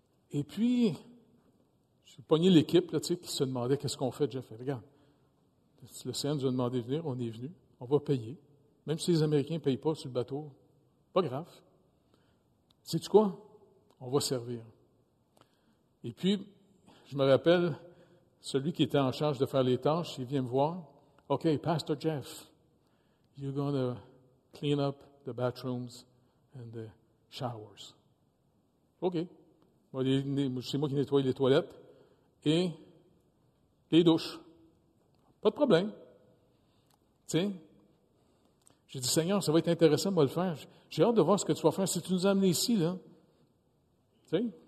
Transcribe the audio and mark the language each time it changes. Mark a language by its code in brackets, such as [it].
[fr] Et puis, j'ai pogné l'équipe là, qui se demandait « qu'est-ce qu'on fait, Jeff? » Regarde, si le Seigneur nous a demandé de venir, on est venu, on va payer. Même si les Américains ne payent pas sur le bateau, pas grave. Sais-tu quoi? On va servir. Et puis, je me rappelle, celui qui était en charge de faire les tâches, il vient me voir. [en] « OK, Pastor Jeff, you're going to clean up the bathrooms and the showers. » OK. [fr] C'est moi qui nettoie les toilettes. Et les douches. Pas de problème. Tu sais, j'ai dit, Seigneur, ça va être intéressant, moi, le faire. J'ai hâte de voir ce que tu vas faire. Si tu nous as amenés ici, là. Tu sais?